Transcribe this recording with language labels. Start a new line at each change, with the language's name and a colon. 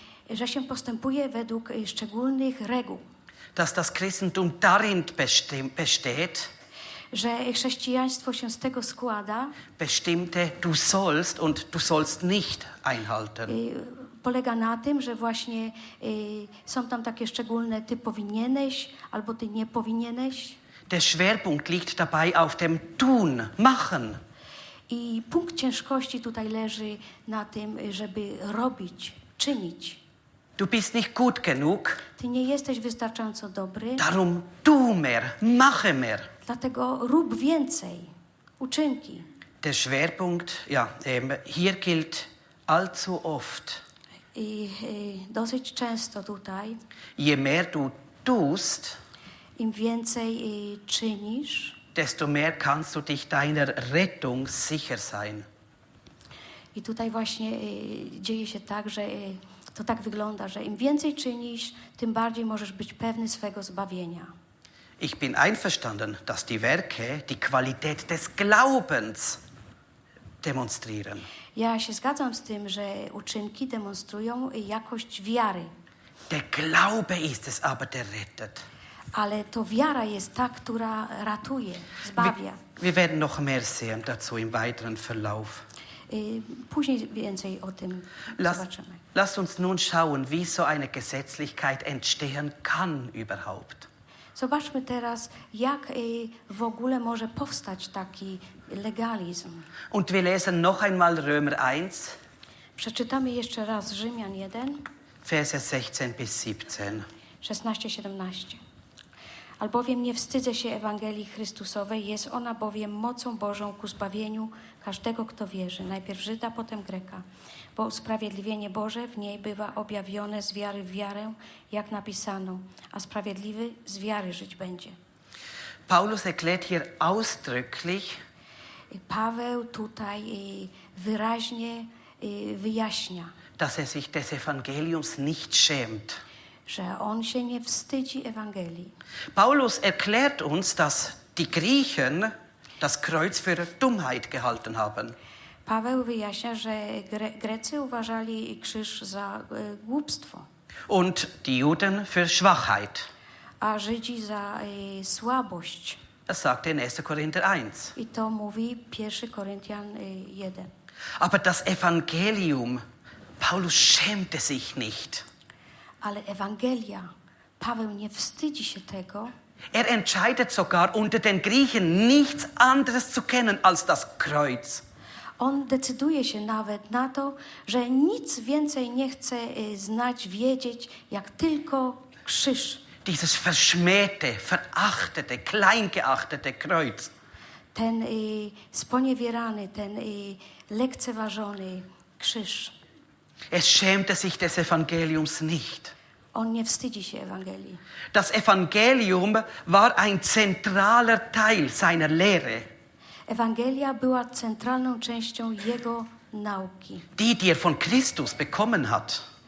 Polish: Że się postępuje według szczególnych reguł.
German: Dass das Christentum darin besteht,
Polish: że chrześcijaństwo się z tego składa,
German: bestimmte du sollst und du sollst nicht einhalten.
Polish: Polega na tym, że właśnie są tam takie szczególne ty powinieneś albo ty nie powinieneś.
German: Der Schwerpunkt liegt dabei auf dem tun, machen.
Polish: I punkt ciężkości tutaj leży na tym, żeby robić, czynić.
German: Du bist nicht gut genug.
Polish: Ty nie jesteś wystarczająco dobry.
German: Darum tu mehr, mache mehr.
Polish: Dlatego rób więcej, uczynki.
German: Der Schwerpunkt, ja, hier gilt allzu oft.
Polish: I dosyć często tutaj.
German: Je mehr du tust,
Polish: im więcej czynisz,
German: desto mehr kannst du dich deiner Rettung sicher sein.
Polish: I tutaj właśnie dzieje się tak, że To tak wygląda, że im więcej czynisz, tym bardziej możesz być pewny swego zbawienia.
German: Ich bin einverstanden, dass die Werke die Qualität des Glaubens demonstrieren.
Polish: Ja się zgadzam z tym, że uczynki demonstrują jakość wiary.
German: Der Glaube ist es aber, der rettet.
Polish: Ale to wiara jest ta, która ratuje, zbawia.
German: Wir werden noch mehr sehen dazu im weiteren Verlauf.
Polish: Później więcej o tym zobaczymy.
German: Lass uns nun schauen, wie so eine Gesetzlichkeit entstehen kann überhaupt.
Polish: Zobaczmy teraz, jak w ogóle może powstać taki legalizm.
German: Und wir lesen noch einmal Römer 1.
Polish: Przeczytamy jeszcze raz Rzymian 1.
German: Verse 16-17.
Polish: 16-17. Albowiem nie wstydzę się Ewangelii Chrystusowej, jest ona bowiem mocą Bożą ku zbawieniu każdego, kto wierzy, najpierw Żyda, potem Greka. Bo usprawiedliwienie Boże w niej bywa objawione z wiary w wiarę, jak napisano, a sprawiedliwy z wiary żyć będzie.
German: Paulus erklärt hier ausdrücklich,
Polish: Paweł tutaj wyraźnie wyjaśnia,
German: dass er sich des Evangeliums nicht schämt.
Polish: Że on się nie wstydzi Ewangelii.
German: Paulus erklärt uns, dass die Griechen das Kreuz für Dummheit gehalten haben.
Polish: Paweł wyjaśnia, że Grecy uważali krzyż za głupstwo.
German: Und die Juden für Schwachheit.
Polish: A Żydzi za słabość.
German: Das sagt in 1. Korinther 1.
Polish: I to mówi 1. Koryntian 1.
German: Aber das Evangelium, Paulus schämte sich nicht.
Polish: Ale Ewangelia, Paweł nie wstydzi się tego.
German: Er entscheidet sogar unter den Griechen nichts anderes zu kennen als das Kreuz.
Polish: On decyduje się nawet na to, że nic więcej nie chce znać, wiedzieć, jak tylko krzyż.
German: Dieses verschmähte, verachtete, kleingeachtete Kreuz.
Polish: Ten sponiewierany, ten lekceważony krzyż.
German: Es schämte sich des Evangeliums nicht.
Polish: On nie wstydzi się Ewangelii.
German: Das Evangelium war ein zentraler Teil seiner Lehre.
Polish: Ewangelia była centralną częścią jego nauki.
German: Die er von Christus bekommen hat.